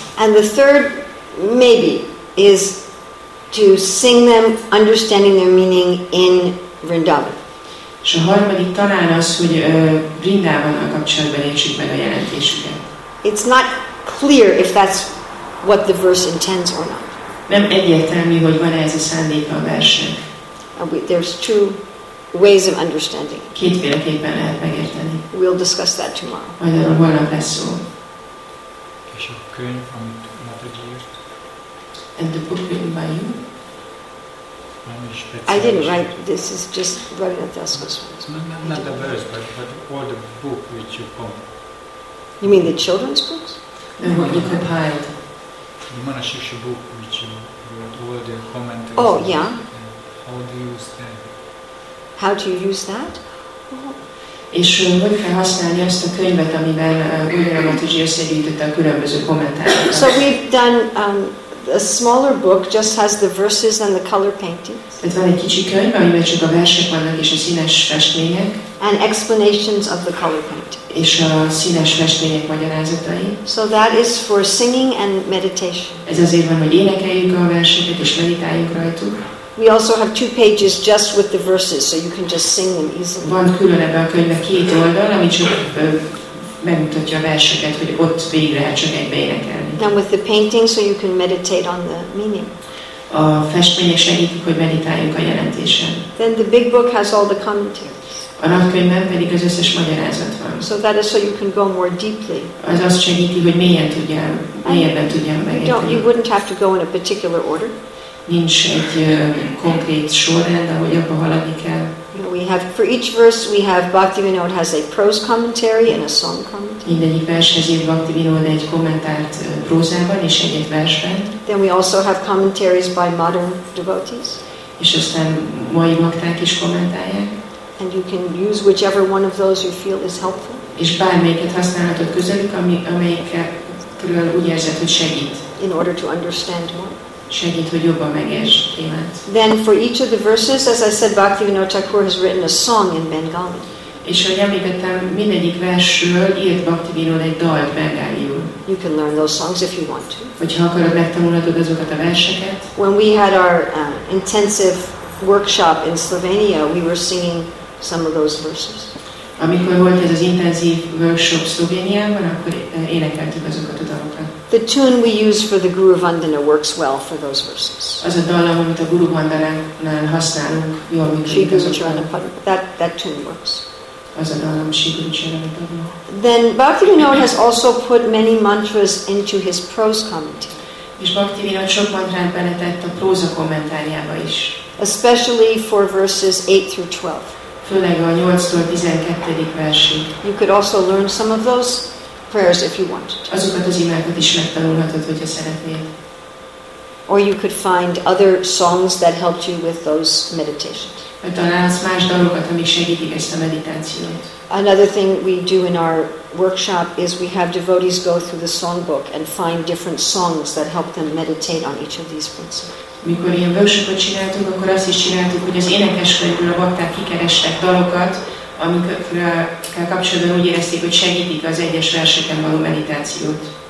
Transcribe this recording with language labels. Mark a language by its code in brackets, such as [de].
[en] And the third maybe is to sing them, understanding their meaning in Vrindavan. [hu] És a harmadik talán az, hogy Vrindavannal kapcsolatban értsük meg a jelentésüket. [en] It's not clear if that's what the verse intends or not. [hu] Nem egyértelmű, hogy van-e ez a szándéka a versnek. [en] There's two ways of understanding. [hu] Kétféleképpen lehet megérteni. [en] We'll discuss that tomorrow. [hu] Majd arra holnap lesz szó. És a könyv, amit Mataji írt. [en] And the book written by you? I didn't write, this is just Rabbi Nathasko's words. Not the verse, but all the book which you compiled. You mean the children's books? And what you compiled. The Manashiksha book which you wrote, all the commentaries. Oh, yeah. How do you use that? How do you use that? [hu] És hogy kell használni azt a könyvet, amivel Gurdjieff Mataji összegyűjtötte a különböző kommentárokat. [en] So we've done a smaller book just has the verses and the color paintings. [hu] Tehát van egy kicsi könyv, amiben csak a versek vannak és a színes festmények. [en] And explanations of the color paintings. [hu] És a színes festmények magyarázatai. [en] So that is for singing and meditation. [hu] Ez azért van, hogy énekeljük a verseket és meditáljuk rajtuk. [en] We also have two pages just with the verses, so you can just sing them easily. [hu] Van külön ebben a könyvben két oldal, ami csak megmutatja a verseket, hogy ott végig lehet csak egybe énekelni. [en] Then with the painting, so you can meditate on the meaning. [hu] A festmények segítik, hogy meditáljunk a jelentésen. [en] Then the big book has all the commentaries. [hu] A nagykönyvben pedig az összes magyarázat van. [en] So that is so you can go more deeply. [hu] Az azt segíti, hogy mélyebben tudjam megérteni. [en] You wouldn't have to go in a particular order. [hu] Nincs egy konkrét sorrend, ahogy abba haladni kell. [en] We have for each verse we have Bhaktivinoda has a prose commentary and a song commentary. [hu] Mindegyik vershez ír Bhaktivinoda egy kommentárt prózában és egyet versben. [en] Then we also have commentaries by modern devotees. [hu] És aztán mai bakták is kommentálják. [en] And you can use whichever one of those you feel is helpful. [hu] És bármelyiket használhatod közelük, amelyikről úgy érzed, hogy segít. [en] In order to understand more. [hu] Segít, hogy jobban megérts témát. [en] Then for each of the verses, as I said, Bhaktivinoda Thakur has written a song in Bengali. [hu] És ahogy említettem, mindegyik versről írt Bhaktivinoda egy dalt bengáliul. [en] You can learn those songs if you want to. [hu] Hogyha akarod, megtanulhatod azokat a verseket. [en] When we had our intensive workshop in Slovenia, we were singing some of those verses. [hu] Amikor volt ez az intenzív workshop Szlovéniában, akkor énekeltük azokat a dalokat. [en] The tune we use for the Guru Vandana works well for those verses. [hu] Az a dal, amit a Guru Vandanánál használunk, jól működik az ott. [en] That tune works. [hu] Az a dal, amit Sri Guru Charanapadma. [en] Then Bhaktivinoda has also put many mantras into his prose commentary. [hu] És Bhaktivinoda sok mantrát beletett a próza kommentárjába is. [en] Especially for verses 8 through 12. [hu] Főleg a 8-tól 12. versig. [en] You could also learn some of those prayers if you wanted. [hu] Azokat az imákat is megtanulhatod, hogyha szeretnéd. [en] Or you could find other songs that helped you with those meditations. [hu] Vagy találsz más dalokat, amik segítik ezt a meditációt. [en] Another thing we do in our workshop is we have devotees go through the songbook and find different songs that help them meditate on each of these principles. [hu] Mikor ilyen workshopot csináltunk, akkor azt is csináltuk, hogy az énekeskönyvből a bakták kikerestek dalokat, amikkel kapcsolatban úgy érezték, hogy segítik az egyes verseken való meditációt.